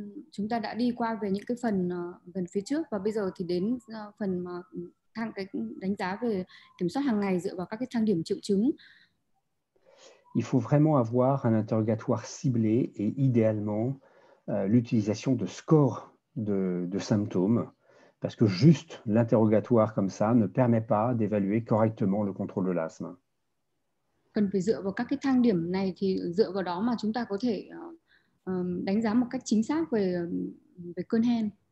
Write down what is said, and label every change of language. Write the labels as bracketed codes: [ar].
[vi] Chúng ta đã đi qua về những cái phần gần phía trước, và bây giờ thì đến phần mà thang cái đánh giá về kiểm soát hàng ngày dựa vào các cái thang điểm triệu chứng. [fr] Il faut vraiment avoir un interrogatoire ciblé et idéalement l'utilisation de scores de symptômes, parce que juste l'interrogatoire comme ça ne permet pas d'évaluer correctement le contrôle de l'asthme. [vi] Cần phải dựa vào các cái thang điểm này, thì dựa vào đó mà chúng ta có thể đánh giá một cách chính xác về về cơn hen.